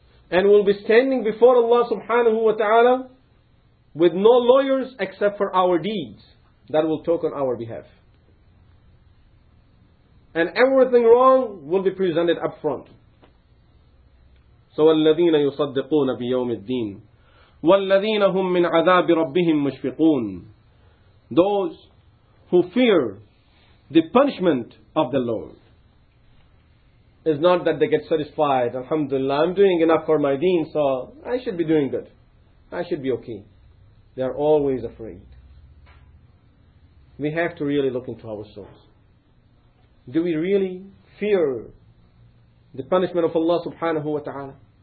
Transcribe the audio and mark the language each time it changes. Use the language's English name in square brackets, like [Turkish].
[English] And we'll be standing before Allah subhanahu wa ta'ala with no lawyers except for our deeds that will talk on our behalf. And everything wrong will be presented up front. [Arabic] So, وَالَّذِينَ يُصَدِّقُونَ بِيَوْمِ الدِّينِ وَالَّذِينَ هُمْ مِنْ عَذَابِ رَبِّهِمْ مُشْفِقُونَ [English] those who fear the punishment of the Lord. It's not that they get satisfied. Alhamdulillah, I'm doing enough for my deen, so I should be doing good. I should be okay. They are always afraid. We have to really look into our souls. Do we really fear the punishment of Allah subhanahu wa ta'ala?